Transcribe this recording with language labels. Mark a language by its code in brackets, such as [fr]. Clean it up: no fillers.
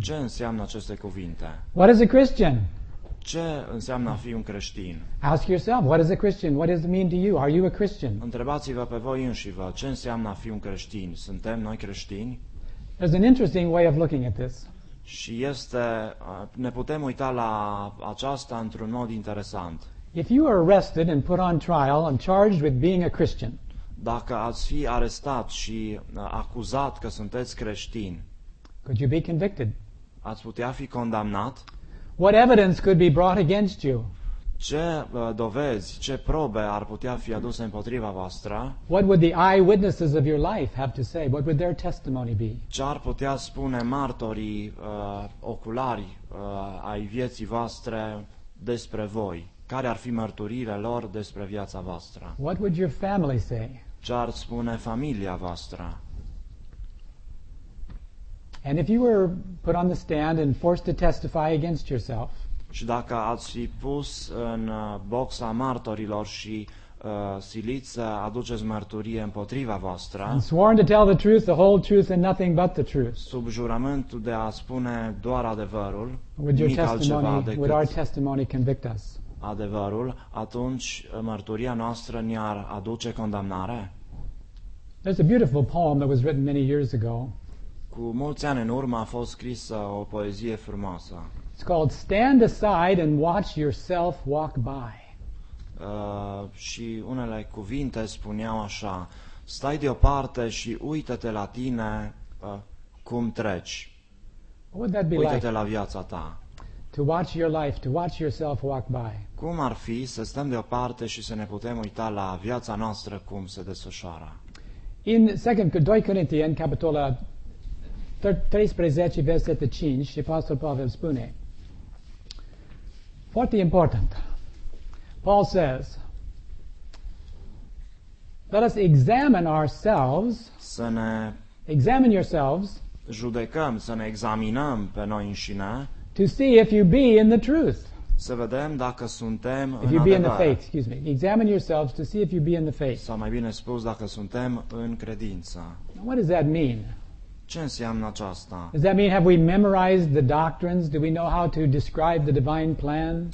[ro] Ce înseamnă aceste cuvinte? [en] What is a Christian? [ro] Ce înseamnă a fi un creștin? [en] Ask yourself, what is a Christian? What does it mean to you? Are you a Christian? [ro] Întrebați-vă pe voi înșivă, ce înseamnă a fi un creștin? Suntem noi creștini? [en] There's an interesting way of looking at this. [ro] Și este, ne putem uita la aceasta într-un mod interesant. [en] If you are arrested and put on trial and charged with being a Christian, [ro] dacă ați fi arestat și acuzat că sunteți creștin, [en] could you be convicted? [ro] Ați putea fi condamnat? [en] What evidence could be brought against you? [ro] Ce dovezi, ce probe ar putea fi aduse împotriva voastră? [en] What would the eyewitnesses of your life have to say? What would their testimony be? [ro] Ce ar putea spune martorii oculari ai vieții voastre despre voi? Care ar fi mărturile lor despre viața voastră? [en] What would your family say? [ro] Ce ar spune familia voastră? [en] And if you were put on the stand and forced to testify against yourself, [ro] și dacă ați fi pus în boxa martorilor și silit să aduceți mărturie împotriva voastră, [en] and sworn to tell the truth, the whole truth and nothing but the truth, [ro] sub jurământul de a spune doar adevărul, [en] would your testimony, would our testimony convict us? [ro] Adevărul, atunci mărturia noastră ne-ar aduce condamnare? [en] There's a beautiful poem that was written many years ago. [ro] cu mulți ani în urmă a fost scrisă o poezie frumoasă. [en] It's called Stand Aside and Watch Yourself Walk By. [ro] Și unele cuvinte spuneau așa: stai deoparte și uită-te la tine cum treci. [en] What would that be [ro] uită-te [en] like? [ro] La viața ta. [en] To watch your life, to watch yourself walk by. [ro] Cum ar fi să stăm deoparte și să ne putem uita la viața noastră cum se desfășoară? [en] In 2 Corinthians, [ro] capitolul 13, versetul 5, și Apostol Pavel spune, foarte important, [en] Paul says, let us examine ourselves, [ro] să ne [en] examine yourselves, [ro] judecăm, să ne examinăm pe noi înșine, [en] to see if you be in the truth. [ro] Să vedem dacă suntem în adevăr. [en] In the faith, excuse me. Examine yourselves to see if you be in the faith. [ro] Sau mai bine spus, dacă suntem în credință. [en] Now, what does that mean? [ro] Ce înseamnă aceasta? [en] Does that mean have we memorized the doctrines? Do we know how to describe the divine plan?